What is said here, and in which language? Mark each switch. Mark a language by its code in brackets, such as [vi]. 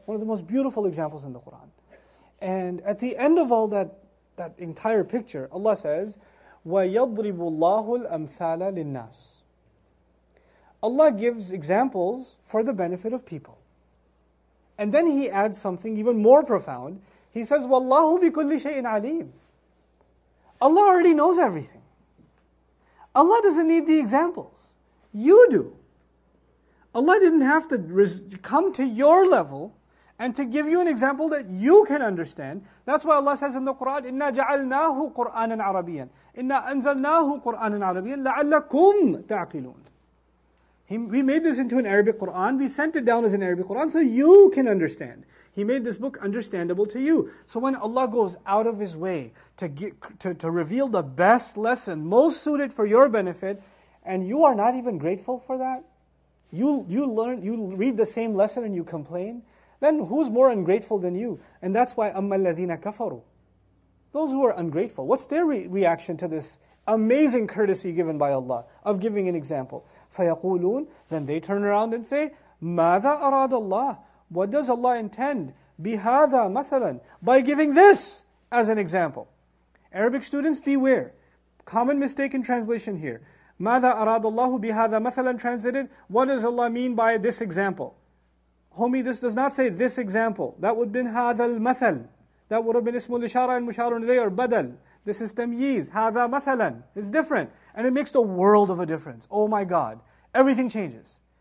[en] One of the most beautiful examples in the Qur'an. And at the end of all that entire picture, Allah says, [ar] وَيَضْرِبُ اللَّهُ الْأَمْثَالَ لِلنَّاسِ. [en] Allah gives examples for the benefit of people. And then He adds something even more profound. He says, [ar] وَاللَّهُ بِكُلِّ شَيْءٍ عَلِيمٍ. [en] Allah already knows everything. Allah doesn't need the examples. You do. Allah didn't have to come to your level and to give you an example that you can understand. That's why Allah says in the Qur'an, [ar] إِنَّا جَعَلْنَاهُ قُرْآنًا عَرَبِيًا إِنَّا أَنزَلْنَاهُ قُرْآنًا عَرَبِيًا لَعَلَّكُمْ تَعْقِلُونَ. [en] We made this into an Arabic Qur'an. We sent it down as an Arabic Qur'an so you can understand. He made this book understandable to you. So when Allah goes out of His way to reveal the best lesson, most suited for your benefit, and you are not even grateful for that? You read the same lesson and you complain? Then who's more ungrateful than you? And that's why, [ar] أَمَّا الَّذِينَ كَفَرُوا. [en] Those who are ungrateful, what's their reaction to this amazing courtesy given by Allah of giving an example? [ar] فَيَقُولُونَ. [en] Then they turn around and say, [ar] مَاذَا أَرَادَ اللَّهُ. [en] What does Allah intend? [ar] بِهَذَا مَثَلًا. [en] By giving this as an example. Arabic students, beware. Common mistake in translation here. [ar] مَاذَا أَرَادَ اللَّهُ بِهَذَا مَثَلًا [en] translated. What does Allah mean by this example? Homie, this does not say this example. That would have been [ar] هَذَا الْمَثَلْ. [en] That would have been [ar] اسْمُ الْإِشَارَةِ الْمُشَارٌ إِلَيْهِ [en] or بَدَلْ. This is تَمْيِيز. [ar] هَذَا مَثَلًا. [en] It's different. And it makes the world of a difference. Oh my God. Everything changes.